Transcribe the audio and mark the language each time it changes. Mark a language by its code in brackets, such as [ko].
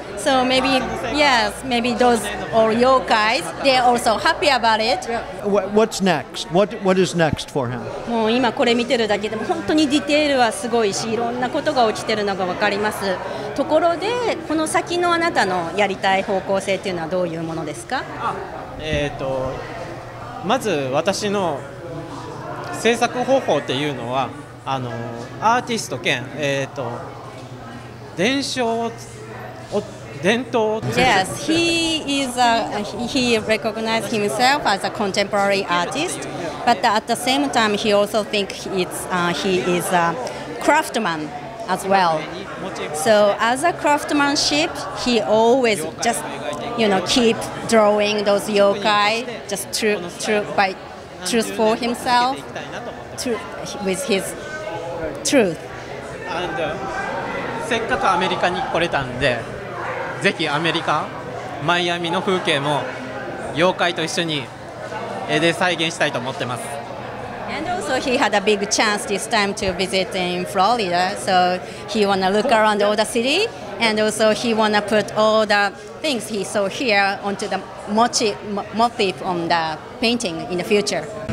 [en] So maybe, yes, maybe those or yokai, they're also happy about it. What's next? What is next for him? [ja] もう今これ見てるだけでも本当にディテールはすごいし、いろんなことが起きてるのが分かります。ところで、この先のあなたのやりたい方向性っていうのはどういうものですか？まず私の制作方法っていうのは、アーティスト兼、 [en] Yes, he is. He recognizes himself as a contemporary artist, but at the same time, he also thinks he is a craftsman as well. So, as a craftsmanship, he always just, you know, keep drawing those yokai just truth for himself, with his truth. [ja] せっかくアメリカに来れたんで、ぜひアメリカ、マイアミの風景も妖怪と一緒に絵で再現したいと思ってます。 [en] And also he had a big chance this time to visit in Florida, so he wanna look around all the city, and also he wanna put all the things he saw here onto the motif on the painting in the future.